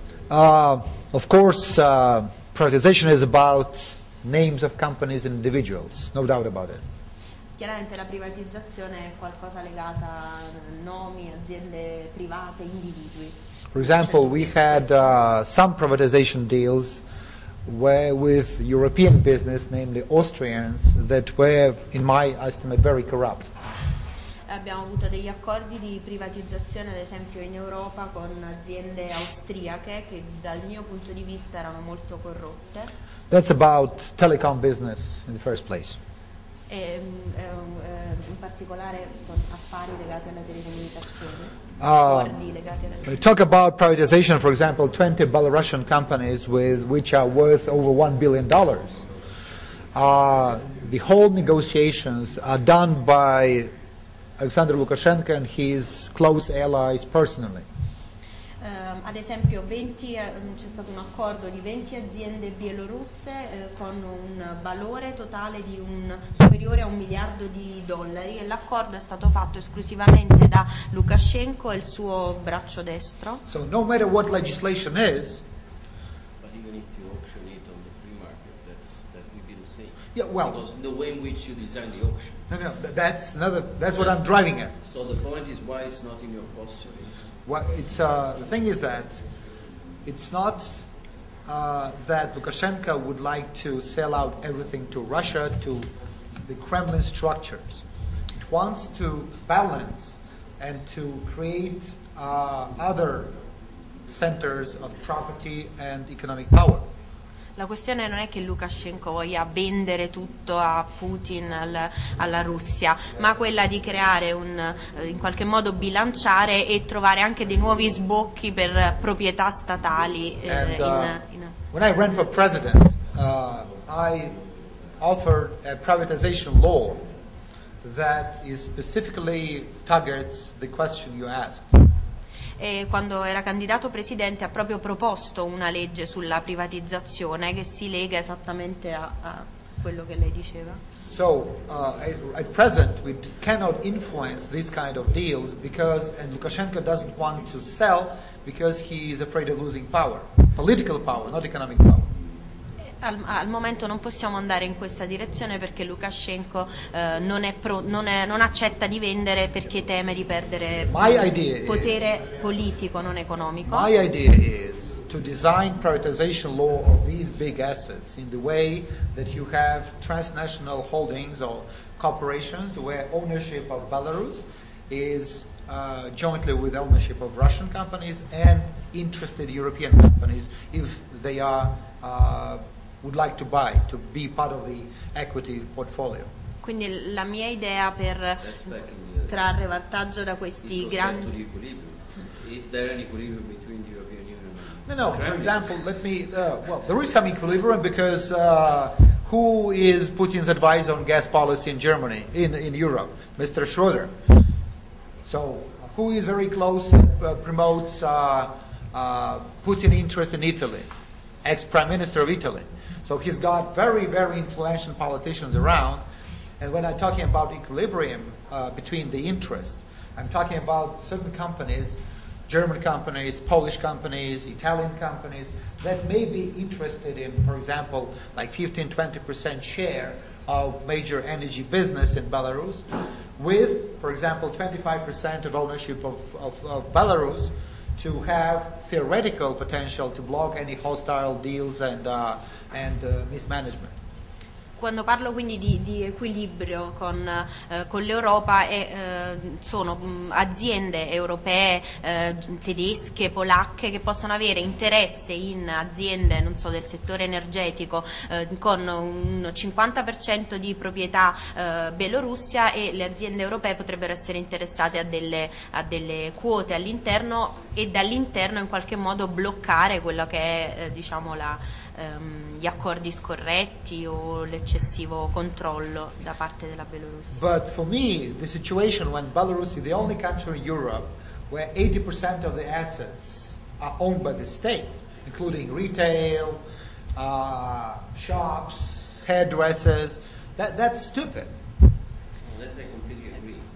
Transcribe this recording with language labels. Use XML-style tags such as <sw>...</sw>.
<en>Of course, privatization is about names of companies and individuals, no doubt about it.</en> <it>Chiaramente la privatizzazione è qualcosa legata a nomi, aziende private, individui.</it> <en>For example, we had some privatization deals where with European business, namely Austrians, that were, in my estimate, very corrupt.</en> <it>Abbiamo avuto degli accordi di privatizzazione, ad esempio in Europa, con aziende austriache che dal mio punto di vista erano molto corrotte.</it> <en>That's about telecom business in the first place.</en> <it>In particolare con affari legati alla telecomunicazione.</it> <en>Talk about privatization, for example, 20 Belarusian companies which are worth over $1 billion. The whole negotiations are done by Alexander Lukashenko and his close allies personally.</en> <it>Ad esempio, 20, c'è stato un accordo di 20 aziende bielorusse con un valore totale di superiore a $1 miliardo, e l'accordo è stato fatto esclusivamente da Lukashenko e il suo braccio destro.</it> <en>So no matter what legislation is, but even if you auction it on the free market, that would be the same. Yeah, well, because the way in which you design the auction. No, that's another. That's what I'm driving at. So the point is, why it's not in your posture? Well, it's the thing is that it's not that Lukashenko would like to sell out everything to Russia, to the Kremlin structures. It wants to balance and to create other centers of property and economic power.</en> <it>La questione non è che Lukashenko voglia vendere tutto a Putin, alla Russia, ma quella di creare in qualche modo bilanciare e trovare anche dei nuovi sbocchi per proprietà statali.</it> <en>When I ran for president, I offered a privatization law that is specifically targets the question you asked.</en> <it>E quando era candidato presidente ha proprio proposto una legge sulla privatizzazione che si lega esattamente a quello che lei diceva.</it> <en>So, at present we cannot influence these kind of deals because, and Lukashenko doesn't want to sell because he is afraid of losing power, political power, not economic power.</en> <it>Al momento non possiamo andare in questa direzione perché Lukashenko non accetta di vendere perché teme di perdere potere politico, non economico.</it> <en>My idea is to design privatization law of these big assets in the way that you have transnational holdings or corporations where ownership of Belarus is jointly with ownership of Russian companies and interested European companies if they are would like to buy, to be part of the equity portfolio.</en> <it>Quindi la mia idea per trarre vantaggio da questi grandi...</it> <en>Is there an equilibrium between the European Union and... No, for example, let me... there is some equilibrium because who is Putin's advisor on gas policy in Germany, in Europe? Mr. Schroeder. So, who is very close and promotes Putin interest in Italy? Ex-Prime Minister of Italy. So he's got very, very influential politicians around. And when I'm talking about equilibrium between the interest, I'm talking about certain companies, German companies, Polish companies, Italian companies, that may be interested in, for example, like 15-20% share of major energy business in Belarus, with, for example, 25% of ownership of Belarus, to have theoretical potential to block any hostile deals and mismanagement.</en> <it>Quando parlo quindi di equilibrio con l'Europa sono aziende europee, tedesche, polacche che possono avere interesse in aziende, non so, del settore energetico con un 50% di proprietà Bielorussia, e le aziende europee potrebbero essere interessate a delle quote all'interno e dall'interno in qualche modo bloccare quello che è diciamo la gli accordi scorretti o l'eccessivo controllo da parte della Belarus.</it> <en>But for me, the situation when Belarus is the only country in Europe where 80% of the assets are owned by the state, including retail, shops, hairdressers, that's stupid. Well, that I completely agree.</en>